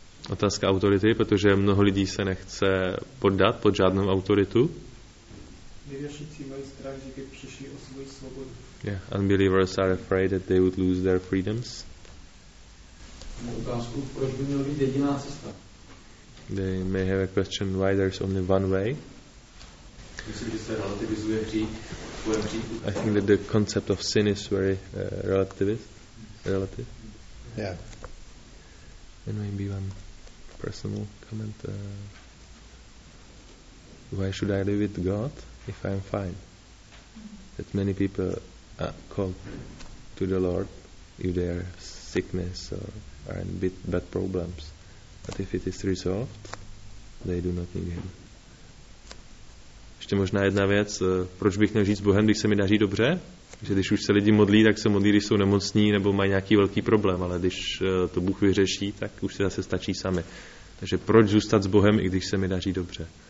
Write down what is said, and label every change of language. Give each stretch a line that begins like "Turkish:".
Czech: Otázka autority, protože mnoho lidí se nechce poddat pod žádnou autoritu. Nevěřící mají strach, že když přišli o svou svobodu.
English: Yeah, unbelievers are afraid that they would lose their freedoms.
Czech: Otázku, proč by měl být jediná cesta?
English: They may have a question why there's only one way.
Czech: Myslím, že se relativizuje hřích.
English: I think that the concept of sin is very relativist. Relative. Yeah. And maybe one personal comment. Why should I live with God if I'm fine? That many people call to the Lord if there are sickness or a bit bad problems, but if it is resolved, they do not need him.
Czech: Ještě možná jedna věc, proč bych měl žít s Bohem, když se mi daří dobře? Že když už se lidi modlí, tak se modlí, když jsou nemocní nebo mají nějaký velký problém, ale když to Bůh vyřeší, tak už se zase stačí sami. Takže proč zůstat s Bohem, i když se mi daří dobře?